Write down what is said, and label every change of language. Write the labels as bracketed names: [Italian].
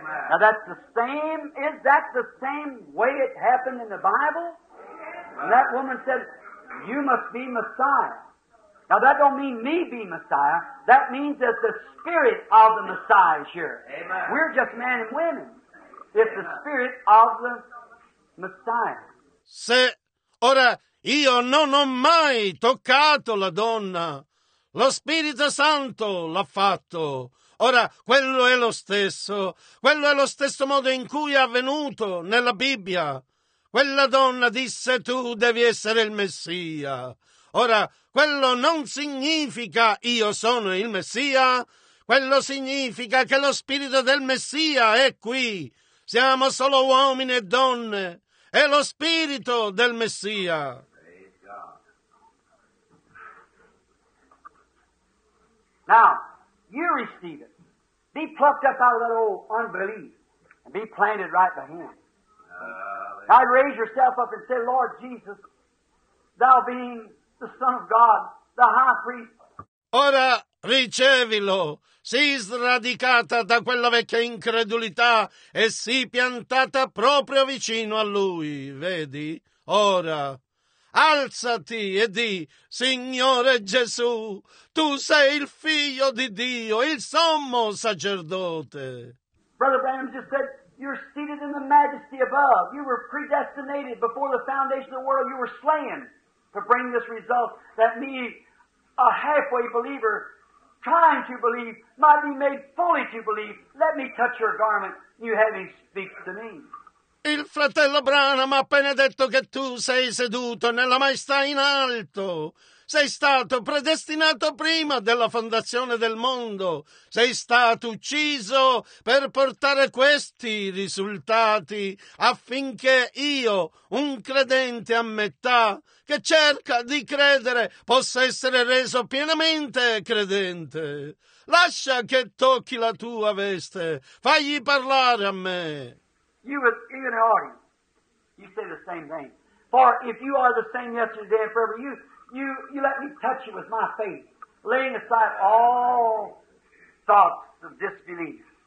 [English] Now is that the same way it happened in the Bible? And that woman said, you must be Messiah. Now that don't mean me be Messiah. That means that the Spirit of the Messiah is here. Amen. We're just men and women. It's the Spirit of the Messiah. [Italian] Se ora io non ho mai toccato la donna. Lo Spirito Santo l'ha fatto. Ora, quello è lo stesso modo in cui è avvenuto nella Bibbia. Quella donna disse, tu devi essere il Messia. Ora, quello non significa io sono il Messia, quello significa che lo spirito del Messia è qui. Siamo solo uomini e donne, è lo spirito del Messia. [English] Now, you receive it. Be plucked up out of that old unbelief and be planted right by Him. Now raise yourself up and say, Lord Jesus, Thou being the Son of God, the High Priest. [Italian] Ora ricevilo, sii sradicata da quella vecchia incredulità e sii piantata proprio vicino a Lui, vedi? Ora, alzati e di, Signore Gesù, tu sei il figlio di Dio, il sommo sacerdote. [English] Brother Branham just said, you're seated in the majesty above. You were predestinated before the foundation of the world. You were slain to bring this result that me, a halfway believer, trying to believe, might be made fully to believe. Let me touch your garment, you having speak to me. [Italian] Il fratello Branham ha appena detto che tu sei seduto nella maestà in alto. Sei stato predestinato prima della fondazione del mondo. Sei stato ucciso per portare questi risultati affinché io, un credente a metà, che cerca di credere, possa essere reso pienamente credente. Lascia che tocchi la tua veste. Fagli parlare a me. [English] You would, even in the audience, you say the same thing. For if you are the same yesterday and forever, you let me touch you with my faith, laying aside all thoughts of disbelief.